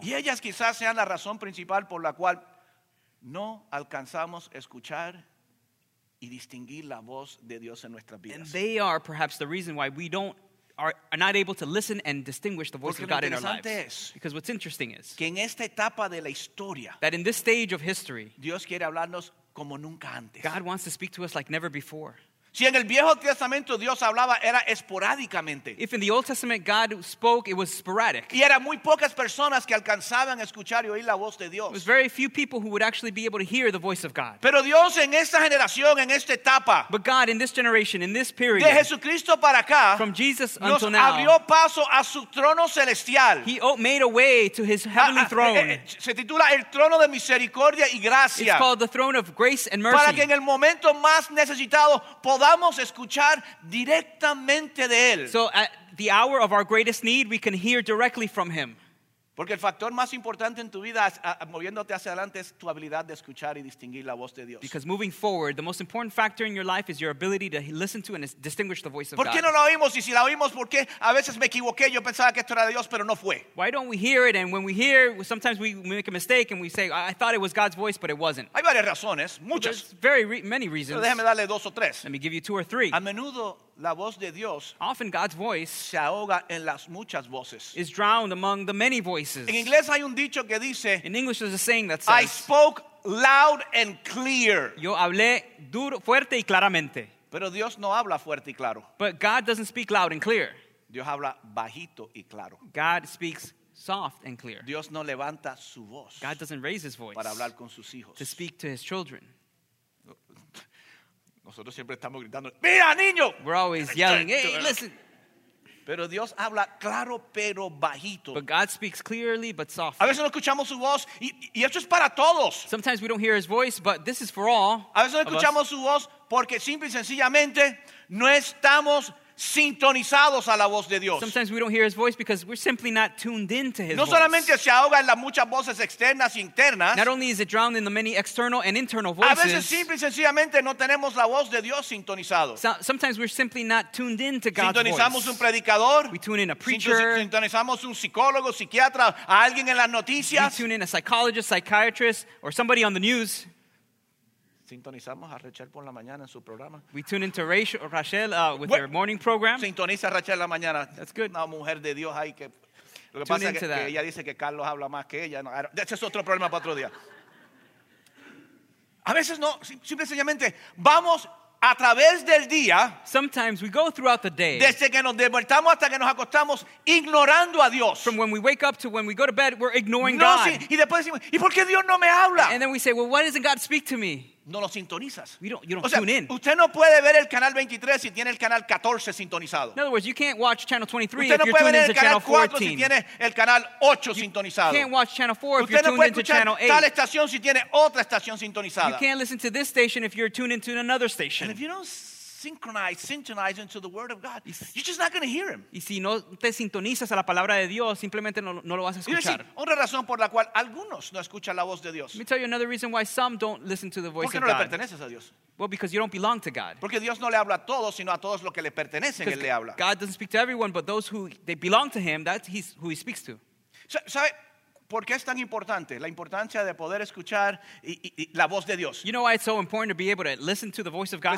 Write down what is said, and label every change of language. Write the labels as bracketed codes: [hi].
[es] Y ellas quizás sean la razón principal por la cual no alcanzamos escuchar y distinguir la voz de Dios en nuestras vidas. [en] And they are perhaps the reason why we don't are not able to listen and distinguish the voice [es] Porque [en] of God in our lives. [es] Es, [en] because what's interesting is [es] que en esta etapa de la historia, [en] that in this stage of history, [es] Dios quiere hablarnos como nunca antes. [en] God wants to speak to us like never before. [es] Si en el Viejo Testamento Dios hablaba, era esporádicamente. [en] If in the Old Testament God spoke, it was sporadic. [es] Y eran muy pocas personas que alcanzaban a escuchar y oír la voz de Dios. [en] It was very few people who would actually be able to hear the voice of God. [es] Pero Dios en esta generación, en esta etapa, [en] but God in this generation, in this period, [es] de Jesucristo para acá, [en] from Jesus [es] nos [en] until now, [es] abrió paso a su trono celestial. [en] He made a way to his heavenly throne. [es] Se titula el trono de misericordia y gracia. [en] It's called the throne of grace and mercy. [es] Para que en el momento más necesitado podamos escuchar directamente de él. [en] So at the hour of our greatest need, we can hear directly from him. [es] Porque el factor más importante en tu vida moviéndote hacia adelante es tu habilidad de escuchar y distinguir la voz de Dios. [en] Because moving forward, the most important factor in your life is your ability to listen to and distinguish the voice of God. [es] ¿Por qué no la oímos? Y si la oímos, ¿por qué? A veces me equivoqué, yo pensaba que esto era de Dios, pero no fue. [en] Why don't we hear it? And when we hear, sometimes we make a mistake and we say, I thought it was God's voice, but it wasn't. [es] Hay varias razones, muchas. [en] There's many reasons. [es] Pero déjame darle dos o tres. [en] Let me give you two or three. [es] A menudo la voz de Dios, [en] often God's voice, [es] se ahoga en las muchas voces, [en] is drowned among the many voices. [es] En inglés hay un dicho que dice, [en] in English there's a saying that says, I spoke loud and clear. [es] Yo hablé duro, fuerte y claramente. Pero Dios no habla fuerte y claro. [en] But God doesn't speak loud and clear. [es] Dios habla bajito y claro. [en] God speaks soft and clear. [es] Dios no levanta su voz. [en] God doesn't raise his voice [es] para hablar con sus hijos. [en] To speak to his children. [es] Nosotros siempre estamos gritando, ¡mira, niño! [en] We're always yelling, hey, listen. [es] Pero Dios habla claro, pero bajito. [en] But God speaks clearly, but softly. [es] A veces no escuchamos su voz, y esto es para todos. [en] Sometimes we don't hear his voice, but this is for all. [es] A veces no escuchamos su voz porque simple y sencillamente no estamos sintonizados a la voz de Dios. [en] Sometimes we don't hear his voice because we're simply not tuned in to his voice. [es] No solamente se ahoga en las muchas voces externas e internas. [en] Not only is it drowned in the many external and internal voices. [es] A veces simple y sencillamente no tenemos la voz de Dios sintonizado. [en] Sometimes we're simply not tuned in to God's voice. [es] Sintonizamos un predicador. [en] We tune in a preacher. [es] Sintonizamos un psicólogo, psiquiatra, a alguien en las noticias. [en] We tune in a psychologist, psychiatrist, or somebody on the news. [es] Sintonizamos a Rachel por la mañana en su programa. [en] We tune into Rachel with her morning program. [es] Sintoniza a Rachel la mañana. [en] That's good. [es] Una mujer de Dios ahí que lo que [en] tune [es] pasa es que ella dice que Carlos habla más que ella. No, ese es otro problema para otro día. A veces no, simple y sencillamente vamos a través del día. [en] Sometimes we go throughout the day. [es] Desde que nos despertamos hasta que nos acostamos, ignorando a Dios. [en] From when we wake up to when we go to bed, we're ignoring [es] no, [en] God. [es] Sí, y después decimos, ¿y por qué Dios no me habla? [en] And then we say, well, why doesn't God speak to me? [es] no lo sintonizas. [en] You don't tune in. [es] Usted no puede ver el canal 23 si tiene el canal 14 sintonizado. [en] In other words, you can't watch channel 23 [es] usted [en] if [es] no [en] you're tuned into [es] canal [en] 14. [es] Si tiene el canal 8 sintonizado. [en] You can't watch channel 4 [es] usted [en] if you're tuned into channel 8. [es] Tal estación si tiene otra estación sintonizada. [en] You can't listen to this station if you're tuned into another station. And if you don't synchronize into the word of God, you're just not going to hear him. [es] Y si no te sintonizas a la palabra de Dios, simplemente no lo vas a escuchar. Otra razón por la cual algunos no escuchan la voz de Dios. [en] Let me tell you another reason why some don't listen to the voice of God. [es] Porque no le perteneces a Dios. [en] Well, because you don't belong to God. [es] Porque Dios no le habla a todos, sino a todos los que le pertenecen, él le habla. [en] God doesn't speak to everyone, but those who they belong to him, that's he's who he speaks to. [es] ¿Sabe por qué es tan importante la importancia de poder escuchar y la voz de Dios? [en] You know why it's so important to be able to listen to the voice of God?